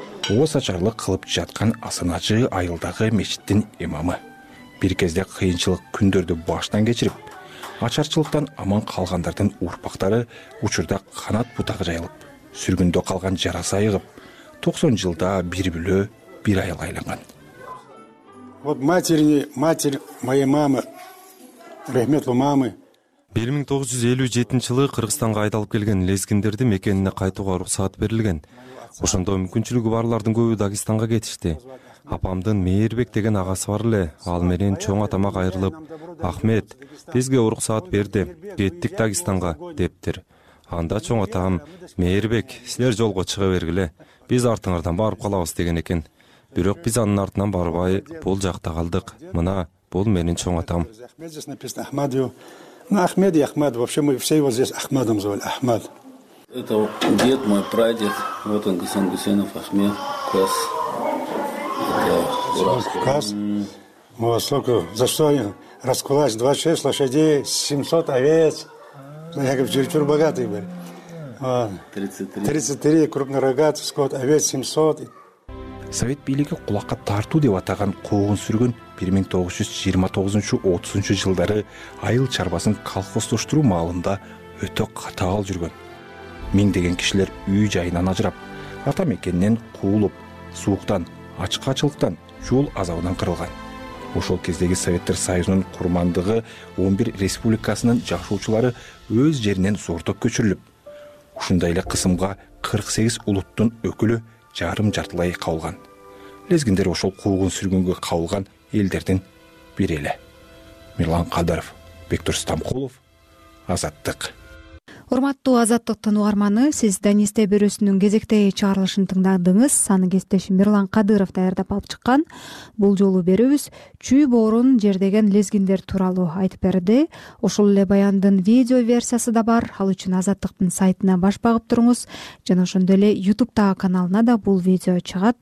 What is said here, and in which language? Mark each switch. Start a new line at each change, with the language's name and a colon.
Kyrgyz: Ооз ачарлык кылып жаткан асыначы айылдагы мечиттин имамы. Бир кезде кыйынчылык күндөрдү баштан кечирип, ачарчылыктан аман калгандардын урпактары учурда канат бутагы жайылып, сүргүндө калган жарасы айыгып, 90 жылда бир бүлө бир айыл айланган.
Russian: Вот матерь моей мамы, рахметлуу мамы.
Kyrgyz: 1957 жылы Кыргызстанга айдалып келген лезгиндерди мекенине кайтууга уруксат берилген. Ошондо мүмкүнчүлүгү барлардын көбү Дагестанга кетишти. Апамдын Мээрбек деген агасы бар эле, ал менен чоң атама кайрылып, Ахмет, бизге уруксат берди, кеттик Дагестанга, дептир. Анда чоң атам, Мээрбек, силер жолго чыга бергиле, биз артыңардан барып калабыз деген экен. Бирок биз анын артынан барбай, бул жакта калдык. Мына, бул менин чоң атам.
Russian: Ахмед и Ахмад, вообще мы все его здесь Ахмадом звали, Ахмад. Это дед мой, прадед, вот он, Гусейн Гусейнов Ахмед, Кас. Кас, сколько, за что они раскулачили, 26 лошадей, 700 овец, я говорю, чересчур богатые были. 33 крупный рогатый скот, овец 700.
Kyrgyz: Совет бийлиги кулакка тартуу деп атаган коогун сүргөн 1929-30 жылдары айыл чарбасын колхоздоштуруу маалында өтө катаал жүргөн. Миңдеген кишилер үй жайынан ажырап, ата мекенинен куулуп, сууктан, ачкачылыктан, жол азабынан кырылган. Ошол кездеги Советтер Союзунун курмандыгы 11 республикасынын жашоочулары өз жеринен зордоп көчүрүлүп, ушундай эле кысымга 48 улуттун өкүлү жарым жартылай кабылган. Лезгиндер ошол куугун сүргүнгө кабылган элдердин бири эле. Мирлан Кадыров, Бектур Стамкулов, Азаттык. Урматтуу Азаттыктын угарманы, сиз Данис Тебирөсүнүн кезектеги чыгарылышын тыңдадыңыз. Анын кесиптешим Мирлан Кадыров даярдап алып чыккан. Бул жолу берүүбүз чүй боорун жердеген лезгиндер тууралуу айтып берди. Ошол эле баяндын видео версиясы да бар. Ал үчүн Азаттыктын сайтына баш багып туруңуз жана ошондой эле YouTube-тагы каналына да бул видео чыгат.